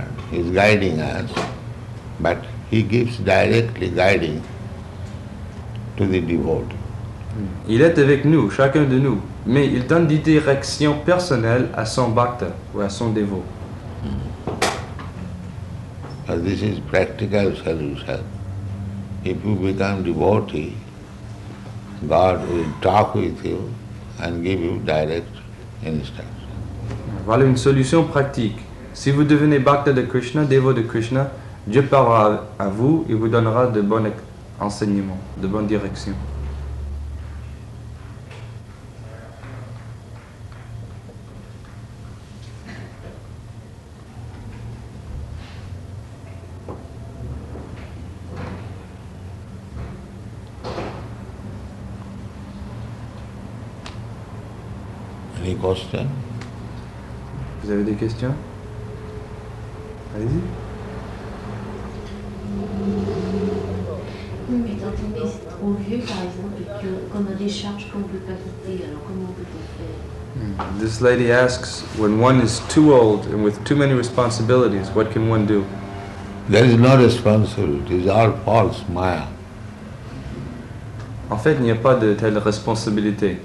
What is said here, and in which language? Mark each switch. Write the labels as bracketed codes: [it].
[en] He is guiding us, but he gives directly guiding to the devotee. [fr] Il est avec nous, chacun de nous, mais il donne des directions personnelles à son bhakta ou à son dévot. [en] But this is practical solution. If you become devotee, God will talk with you and give you direct instruction. [fr] Voilà une solution pratique. Si vous devenez bhakta de Krishna, dévot de Krishna, Dieu parlera à vous et vous donnera de bons enseignements, de bonnes directions. [en] Any question? [fr] Vous avez des questions? Allez-y. Oui, mais étant donné que c'est trop vieux, par exemple, et que, qu'on a des charges qu'on ne peut pas quitter, alors comment on peut-on faire? [en] This lady asks, when one is too old and with too many responsibilities, what can one do? There is no responsibility, it's all false maya. [fr] En fait, il n'y a pas de telle responsabilité.